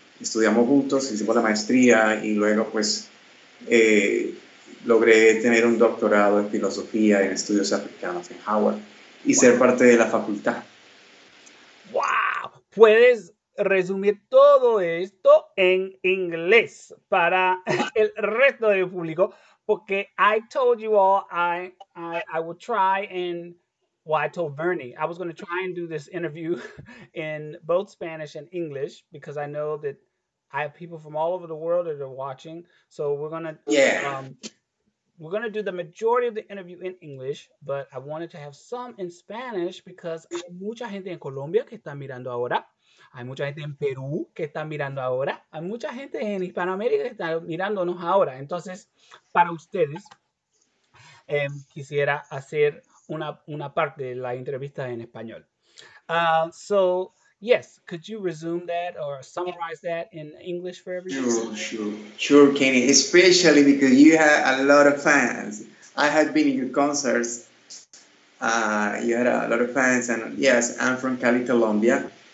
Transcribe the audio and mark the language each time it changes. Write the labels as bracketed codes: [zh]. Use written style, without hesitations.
[es] Estudiamos juntos, hicimos la maestría y luego pues logré tener un doctorado en filosofía en estudios africanos en Howard y wow. Ser parte de la facultad. ¡Wow! ¿Puedes resumir todo esto en inglés para el resto del público? [en] Porque I told you all I will try and, well, I told Bernie, I was going to try and do this interview in both Spanish and English because I know that I have people from all over the world that are watching. So we're going to do the majority of the interview in English, but I wanted to have some in Spanish because [es] hay mucha gente en Colombia que está mirando ahora. Hay mucha gente en Perú que está mirando ahora. Hay mucha gente en Hispanoamérica que está mirándonos ahora. Entonces, para ustedes, quisiera hacer una parte de la entrevista en español. [en] So, yes, could you resume that or summarize that in English for everyone? Sure, Kenny, especially because you have a lot of fans. I have been in your concerts. You had a lot of fans. And yes, I'm from Cali, Colombia.